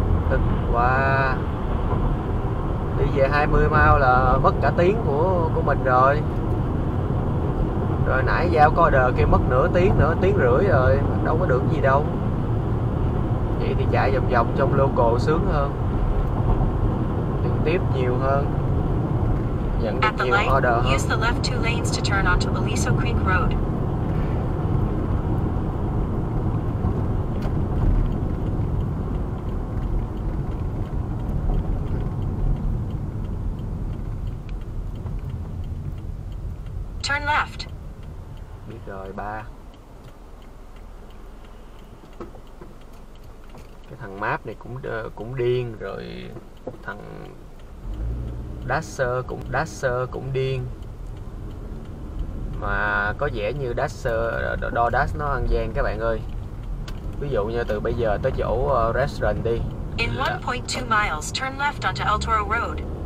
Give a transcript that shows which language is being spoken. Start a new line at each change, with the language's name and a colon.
Vietnamese: Tức quá. Đi về 20 mile là mất cả tiếng của mình rồi. Rồi nãy giao có order kia mất nửa tiếng, nữa tiếng rưỡi rồi, đâu có được gì đâu. Vậy thì chạy vòng vòng trong local sướng hơn, trực tiếp nhiều hơn, nhận được
English: At the
Vietnamese: nhiều
English: light,
Vietnamese: order hơn.
English: use the left two lanes to turn onto Aliso Creek Road. Turn left.
Vietnamese: Biết rồi ba. Cái thằng map này cũng cũng điên rồi, thằng Dasher cũng điên. mà có vẻ như DoorDash nó ăn gian các bạn ơi. Ví dụ như từ bây giờ tới chỗ restaurant đi,
English: in 1.2 miles turn left onto El Toro Road,